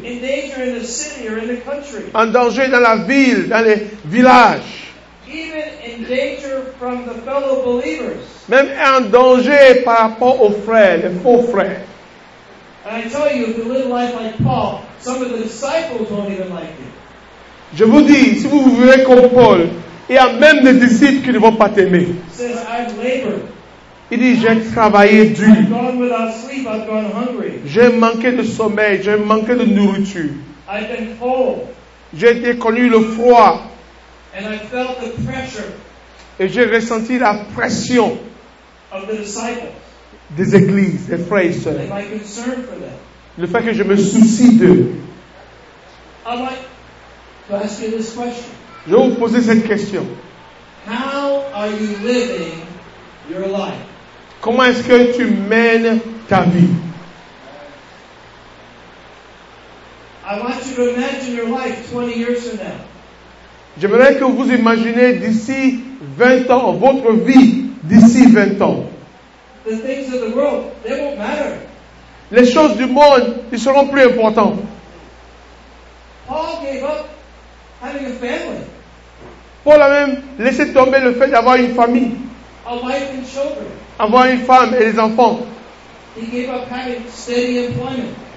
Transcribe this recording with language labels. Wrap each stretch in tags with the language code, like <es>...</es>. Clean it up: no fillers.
<en>In danger in the city or in the country.</en> <fr>En danger dans la ville, dans les villages.</fr> <en>Even in danger from the fellow believers.</en> <fr>Même en danger par rapport aux frères, les faux frères.</fr> <en>And I tell you, if you live a life like Paul, some of the disciples won't even like you.</en> <fr>Je vous dis, si vous vivez comme Paul, il y a même des disciples qui ne vont pas t'aimer.</fr> <en>Says, I've labored.</en> <fr>Il dit, j'ai travaillé dur.</fr> <en>I've gone without sleep, I've gone hungry.</en> <fr>J'ai manqué de sommeil, j'ai manqué de nourriture.</fr> <en>I've been cold.</en> <fr>J'ai été connu le froid.</fr> <en>And I felt the pressure.</en> <fr>Et j'ai ressenti la pression</fr> <en>of the disciples.</en> <fr>Des églises, des frères et sœurs.</fr> <en>And my concern for them.</en> <fr>Le fait que je me soucie d'eux.</fr> <en>I'd like to ask you this question.</en> <fr>Je vais vous poser cette question.</fr> <en>How are you living your life?</en> <fr>Comment est-ce que tu mènes ta vie?</fr> <en>I want you to imagine your life 20 years from now.</en> <fr>J'aimerais que vous imaginez d'ici 20 ans, votre vie d'ici 20 ans.</fr> <en>The things of the world, they won't matter.</en> <fr>Les choses du monde, ils seront plus importantes.</fr> <en>Paul gave up having a family.</en> <fr>Paul a même laissé tomber le fait d'avoir une famille.</fr> <en>A wife and children.</en> <fr>Avoir une femme et des enfants.</fr> <en>He gave up having steady employment.</en>